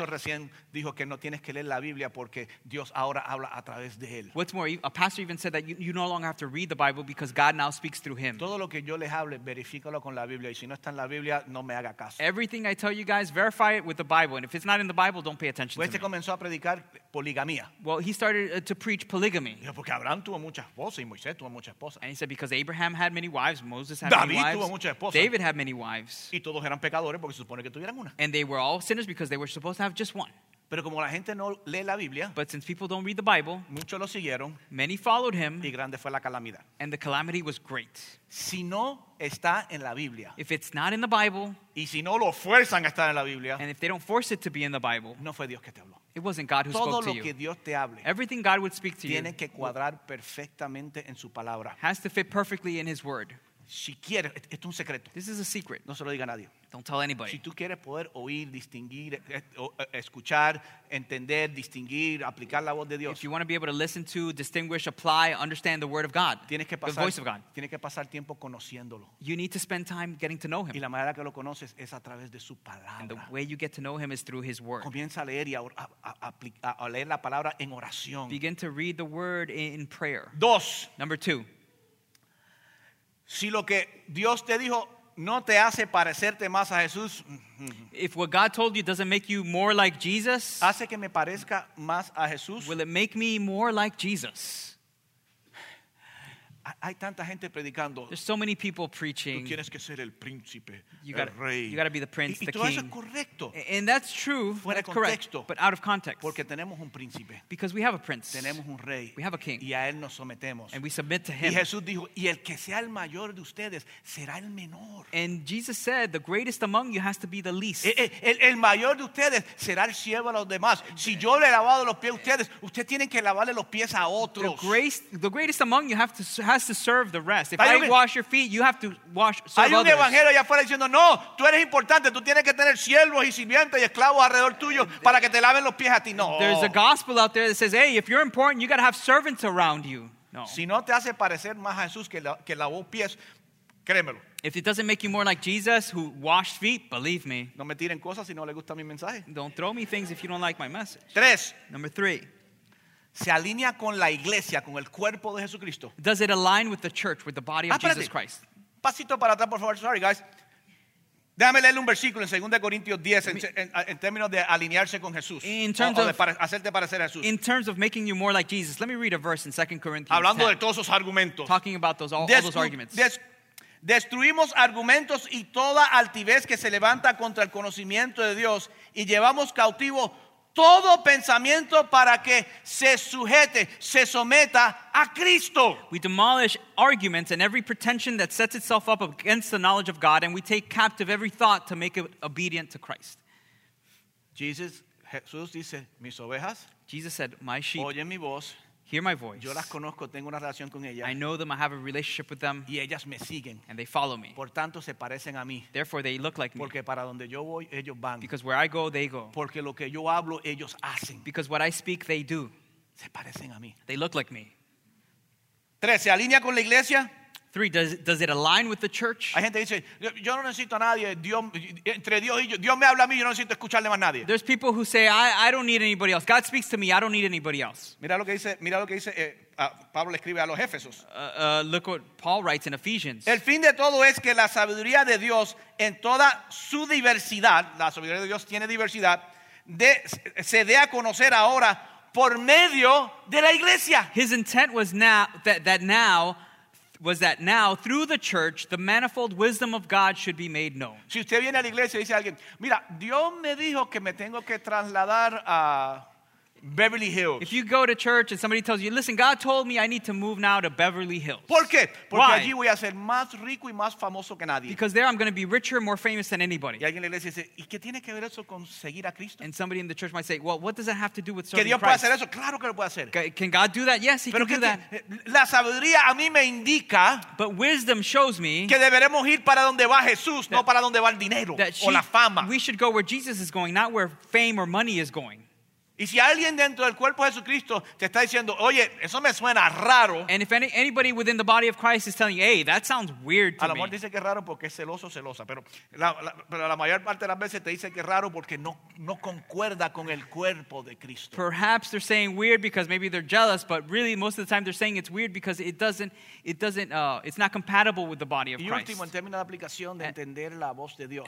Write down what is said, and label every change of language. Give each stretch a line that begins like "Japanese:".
Spanish: Un pastor recién dijo que no tienes que leer la Biblia porque Dios ahora habla a través de él.
English: What's more, a pastor even said that you no longer have to read the Bible because God now speaks through him.
Spanish: Todo lo que yo les hable, verifícalo con la Biblia y si no está en la Biblia, no me haga caso.
English: Everything I tell you guys, verify it with the Bible and if it's not in the Bible, don't pay attention
Spanish: pues
English: to me.
Spanish: Este comenzó a predicar poligamía.
English: Well, he started to preach polygamy.
Spanish: Porque Abraham tuvo muchas esposas y Moisés tuvo muchas esposas.
English: And he said because Abraham had many wives, Moses had David many wives.
Spanish: Tuvo muchas esposas.
English: David had many wives.
Spanish: Y todos eran pecadores porque se supone que tuvieran una.
English: And they were all sinners because they were supposed to have just one.
Spanish: Pero como la gente no lee la Biblia,
English: but since people don't read the Bible,
Spanish: muchos lo siguieron,
English: many followed him,
Spanish: y grande fue la calamidad.
English: And the calamity was great.
Spanish: Si no está en la Biblia,
English: if it's not in the Bible,
Spanish: y si no lo fuerzan a estar en la Biblia,
English: and if they don't force it to be in the Bible,
Spanish: no fue Dios que te habló.
English: It wasn't God who
Spanish: todo
English: spoke
Spanish: lo
English: to you.
Spanish: Que Dios te hable,
English: everything God would speak to
Spanish: tiene
English: you
Spanish: que cuadrar perfectamente en su palabra.
English: Has to fit perfectly in his word.
Spanish: Si quieres, esto es un secreto.
English: This is a secret.
Spanish: No se lo diga a nadie.
English: Don't tell anybody.
Spanish: Si tú quieres poder oír, distinguir, escuchar, entender, distinguir, aplicar la voz de Dios.
English: If you want to be able to listen to, distinguish, apply, understand the word of God.
Spanish: Tienes que pasar,
English: the voice of God.
Spanish: Tienes que pasar tiempo conociéndolo.
English: You need to spend time getting to know him.
Spanish: Y la manera que lo conoces es a través de su palabra.
English: And the way you get to know him is through his word.
Spanish: Comienza a leer y a leer la palabra en oración.
English: Begin to read the word in prayer.
Spanish: Dos.
English: Number two.
Spanish: Si lo que Dios te dijo no te hace parecerte más a Jesús,
English: if what God told you doesn't make you more like Jesus,
Spanish: hace que me parezca más a Jesús,
English: will it make me more like Jesus?
Spanish: Hay tanta gente predicando.
English: There's so many people preaching.
Spanish: Tú tienes que ser el príncipe,
English: you gotta,
Spanish: el rey.
English: You got to be the prince,
Spanish: y
English: the king.
Spanish: Y todo eso es correcto.
English: And that's true.
Spanish: Fuera
English: that's correct, but out of context.
Spanish: Porque tenemos un príncipe.
English: Because we have a prince.
Spanish: Tenemos un rey.
English: We have a king.
Spanish: Y a él nos sometemos.
English: And we submit to him.
Spanish: Y Jesús dijo, y el que sea el mayor de ustedes será el menor.
English: And Jesus said, the greatest among you has to be the least.
Spanish: El mayor de ustedes será el siervo a los demás. Si yo le he lavado los pies a ustedes, ustedes tienen que lavarle los pies a otros.
English: The greatest among you have to has to serve the rest. If I wash your feet, you have to wash serve others.
Spanish: Hay un evangelio allá afuera diciendo, no, tú eres importante, tú tienes que tener siervos y sirvientes y esclavos alrededor tuyo para que te laven los pies a ti. No.
English: There's a gospel out there that says, hey, if you're important, you got to have servants around you. No.
Spanish: Si no te hace parecer más a Jesús que lavó pies, créemelo.
English: If it doesn't make you more like Jesus who washed feet, believe me.
Spanish: No me tiren cosas si no le gusta mi mensaje.
English: Don't throw me things if you don't like my message.
Spanish: Tres.
English: Number three.
Spanish: Se alinea con la iglesia, con el cuerpo de Jesucristo.
English: Does it align with the church, with the body of Jesus Christ?
Spanish: Pasito para atrás, por favor.
English: Sorry, guys.
Spanish: Déjame leerle un versículo en 2 Corintios 10 en términos de alinearse con Jesús. Hacerte parecer a Jesús.
English: In terms of making you more like Jesus, let me read a verse in 2 Corinthians
Spanish: hablando
English: 10,
Spanish: de todos esos argumentos.
English: Talking about all those arguments.
Spanish: Destruimos argumentos y toda altivez que se levanta contra el conocimiento de Dios y llevamos cautivo todo pensamiento para que se sujete, se someta a Cristo.
English: We demolish arguments and every pretension that sets itself up against the knowledge of God, and we take captive every thought to make it obedient to Christ.
Spanish: Jesús dice, mis ovejas.
English: Jesus said, my sheep.
Spanish: Oye mi voz.
English: Hear my voice.
Spanish: Yo las conozco, tengo una relación con ellas.
English: I know them, I have a relationship with them.
Spanish: Y ellas me siguen.
English: And they follow me.
Spanish: Por tanto, se parecen a mí.
English: Therefore, they look like me.
Spanish: Porque para donde yo voy, ellos van.
English: Because where I go, they go.
Spanish: Porque lo que yo hablo, ellos hacen.
English: Because what I speak, they do.
Spanish: Se parecen a mí.
English: They look like me.
Spanish: Tres, ¿se alinea con la iglesia?
English: Three, does it align with the church?
Spanish: Hay gente dice, yo no necesito a nadie. Dios, entre Dios y yo, Dios me habla a mí, yo no necesito escucharle más a nadie.
English: There's people who say, I don't need anybody else. God speaks to me, I don't need anybody else.
Spanish: Mira lo que dice Pablo escribe a los Éfesos.
English: Look what Paul writes in Ephesians.
Spanish: El fin de todo es que la sabiduría de Dios en toda su diversidad, la sabiduría de Dios tiene diversidad, se dé a conocer ahora por medio de la iglesia.
English: His intent was now through the church the manifold wisdom of God should be made known.
Spanish: Si usted viene a la iglesia y dice a alguien, mira, Dios me dijo que me tengo que trasladar a Beverly Hills.
English: If you go to church and somebody tells you, listen, God told me I need to move now to Beverly Hills.
Spanish: ¿Por qué? Porque
English: why?
Spanish: Allí voy a ser más rico y más famoso que nadie.
English: Because there I'm going to be richer, more famous than anybody.
Spanish: Y alguien en la iglesia dice, ¿y qué tiene que ver eso con seguir a Cristo?
English: And somebody in the church might say, well, what does it have to do with serving
Spanish: Dios puede hacer eso? Claro que lo puede hacer.
English: Can God do that? Yes, he
Spanish: pero
English: can do that.
Spanish: La sabiduría a mí me indica,
English: but wisdom shows me,
Spanish: que deberemos ir para donde va Jesús, that, no para donde va el dinero o la fama.
English: We should go where Jesus is going, not where fame or money is going.
Spanish: Y si alguien dentro del cuerpo de Jesucristo te está diciendo, oye, eso me suena raro.
English: And if anybody within the body of Christ is telling you, hey, that sounds weird to me.
Spanish: A lo mejor dice que es raro porque es celoso o celosa. Pero la mayor parte de las veces te dice que es raro porque no concuerda con el cuerpo de Cristo.
English: Perhaps they're saying weird because maybe they're jealous, but really most of the time they're saying it's weird because it's not compatible with the body of Christ.
Spanish: Y último, en términos de aplicación de entender la voz de Dios.